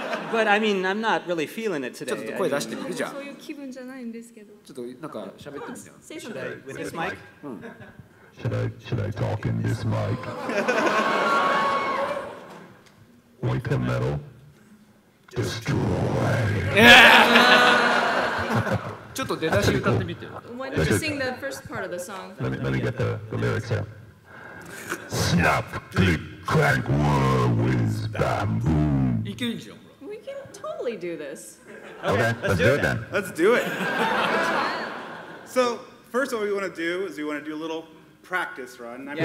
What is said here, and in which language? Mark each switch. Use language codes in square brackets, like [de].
[en] But I mean, I'm not really feeling it today. [ja] ちょっと声出してみるじゃん。そういう気分じゃないんですけど。ちょっとなんか喋ってみるじゃん。 [en] Should I, with this mic? Should I talk in this mic? Wake the metal. Destroy. [ja] ちょっと出だし歌ってみてよ。 [en] Why don't you sing the first part of the song? Let me get the lyrics here. Snap, click, crank, whir, whiz, bam, boom. [ja] いけんじゃん。 [en] We can totally do this. Okay, let's do it then. Let's do it. So, first what we want to do is we want to do a little practice run. I mean,